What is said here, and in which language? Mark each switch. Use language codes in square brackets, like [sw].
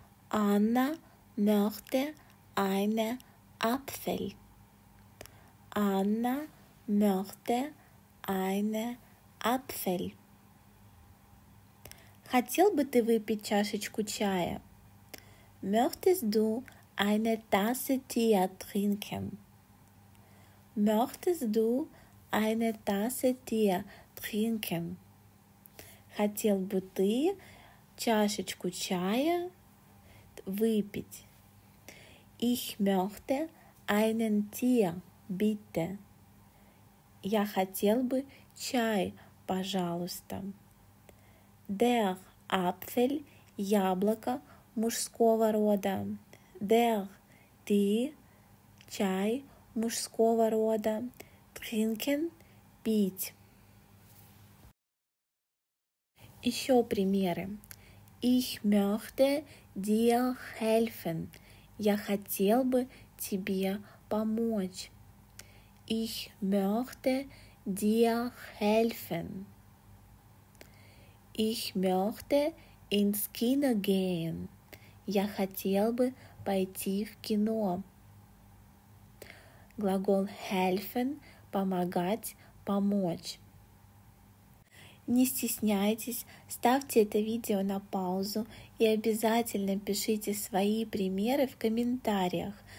[de] Анна möchte eine Apfel. Анна möchte eine Apfel. [ru] Хотел бы ты выпить чашечку чая? [de] Möchtest du eine Tasse Tee trinken? Möchtest du eine Tasse Tee trinken? [ru] Хотел бы ты чашечку чая выпить? [de] Ich möchte einen Tee, bitte. [ru] Я хотел бы чай, пожалуйста. [de] Der Apfel, [ru] яблоко мужского рода. Der, ты, чай мужского рода. Trinken, пить. Еще примеры. [de] Ich möchte dir helfen. [ru] Я хотел бы тебе помочь. [de] Ich möchte dir helfen. Ich möchte ins Kino gehen. [ru] Я хотел бы пойти в кино. Глагол helfen – помогать, помочь. Не стесняйтесь, ставьте это видео на паузу и обязательно пишите свои примеры в комментариях.